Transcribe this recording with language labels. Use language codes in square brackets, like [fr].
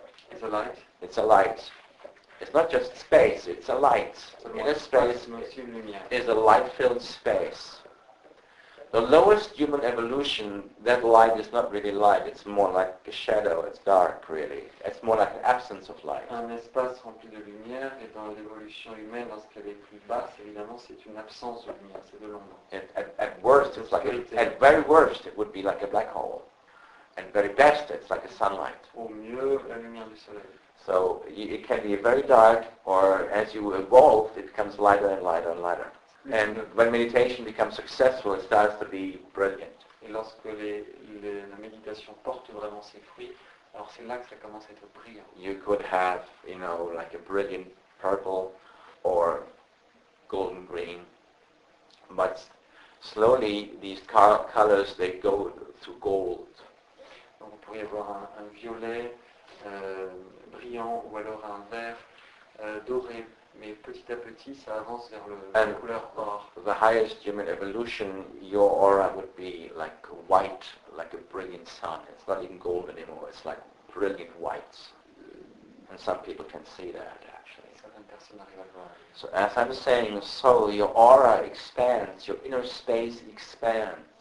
[en] It's a light? It's a light. It's not just space, it's a light. The inner space is a light-filled space. The lowest human evolution, that light is not really light, it's more like a shadow, it's dark really. It's more like an absence of light. [fr] Un espace rempli de lumière, et dans l'évolution humaine, lorsqu'elle est plus basse, évidemment, c'est une absence de lumière, c'est de l'ombre. [en] At worst, it's like at very worst, it would be like a black hole. At very best, it's like a sunlight. [fr] Au mieux, la lumière du soleil. [en] So, it can be very dark, or as you evolve, it becomes lighter and lighter and lighter. And when meditation becomes successful, it starts to be brilliant. [fr] Et lorsque la méditation porte vraiment ses fruits, alors c'est là que ça commence à être brillant. [en] You could have, you know, like a brilliant purple or golden green. But slowly, these colors, they go to gold. [fr] Donc vous pourriez avoir un violet brillant ou alors un vert doré. Mais petit à petit, ça avance vers la couleur or. [en] The highest human evolution, your aura would be like white, like a brilliant sun. It's not even gold anymore, it's like brilliant white. And some people can see that, actually. [fr] Certaines personnes arrivent à le voir. [en] So as I'm saying, so your aura expands, your inner space expands.